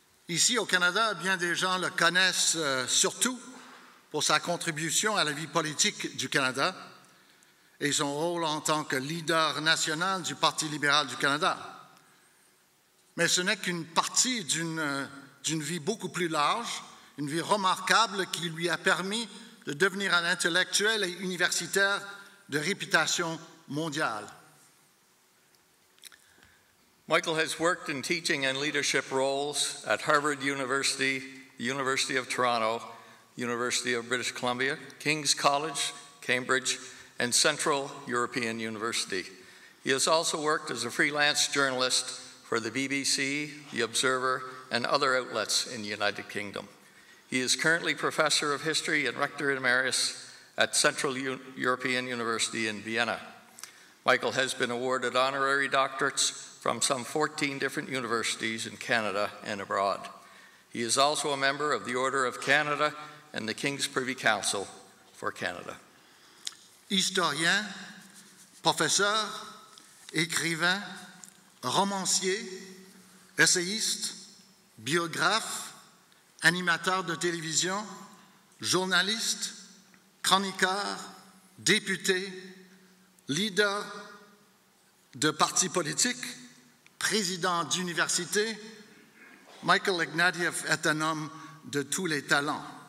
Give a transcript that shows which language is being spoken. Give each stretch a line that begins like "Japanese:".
French: Ici, au Canada, bien des gens le connaissent surtout pour sa contribution à la vie politique du Canada et son rôle en tant que leader national du Parti libéral du Canada. Mais ce n'est qu'une partie d'une vie beaucoup plus large, une vie remarquable qui lui a permis de devenir un intellectuel et universitaire de réputation mondiale.
English: Michael has worked in teaching and leadership roles at Harvard University, the University of Toronto, University of British Columbia, King's College, Cambridge, and Central European University. He has also worked as a freelance journalist for the BBC, The Observer, and other outlets in the United Kingdom. He is currently professor of history and rector emeritus at Central European University in Vienna. Michael has been awarded honorary doctorates from some 14 different universities in Canada and abroad. He is also a member of the Order of Canada and the King's Privy Council for Canada.
French: Historien, professeur, écrivain, romancier, essayiste, biographe, animateur de télévision, journaliste, chroniqueur, député, leader de parti politique, président d'université, Michael Ignatieff est un homme de tous les talents.